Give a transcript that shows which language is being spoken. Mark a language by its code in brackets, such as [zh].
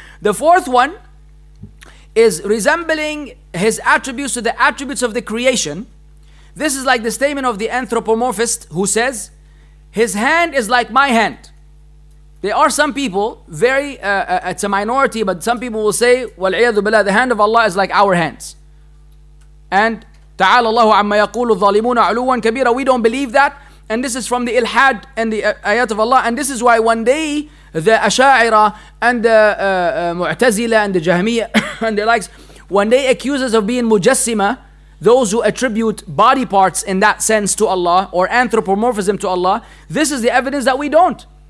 [en] The fourth one is resembling his attributes to the attributes of the creation. This is like the statement of the anthropomorphist who says, his hand is like my hand. There are some people, it's a minority, but some people will say, [ar] وَالْعِيَذُ بِاللَّهِ, [en] the hand of Allah is like our hands. [ar] And تَعَالَ اللَّهُ عَمَّا يَقُولُ الظَّالِمُونَ عُلُوًا كَبِيرًا. [en] We don't believe that. And this is from the Ilhad and the Ayat of Allah. And this is why one day the Asha'ira and the Mu'tazila and the Jahmiya and the likes, when they accuse us of being Mujassima, those who attribute body parts in that sense to Allah or anthropomorphism to Allah, this is the evidence that we don't.